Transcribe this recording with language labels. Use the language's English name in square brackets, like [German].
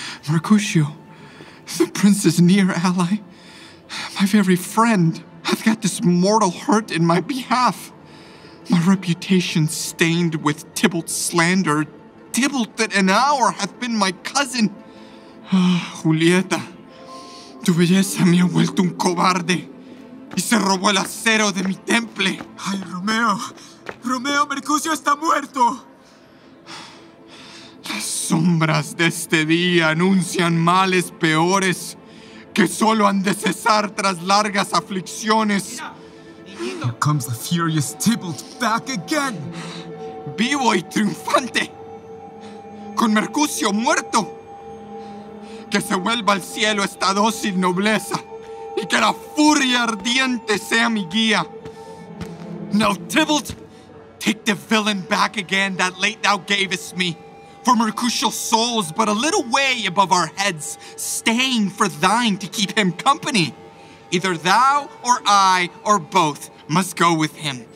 [English] Mercutio, the prince's near ally, my very friend, I've got this mortal hurt in my behalf. My reputation stained with Tybalt's slander. Tybalt that an hour hath been my cousin. [Spanish] Ah, Julieta, tu belleza me ha vuelto un cobarde y se robó el acero de mi temple. Ay, Romeo. Romeo, Mercutio está muerto. Las sombras de este día anuncian males peores que solo han de cesar tras largas aflicciones. [English] Mira. Here comes the furious Tybalt back again. [Spanish] Vivo y triunfante. Con Mercutio muerto. Que se vuelva al cielo esta dócil nobleza. Y que la furia ardiente sea mi guía. [English] Now, Tybalt, take the villain back again that late thou gavest me. For Mercutio's soul is but a little way above our heads, staying for thine to keep him company. Either thou, or I, or both, must go with him.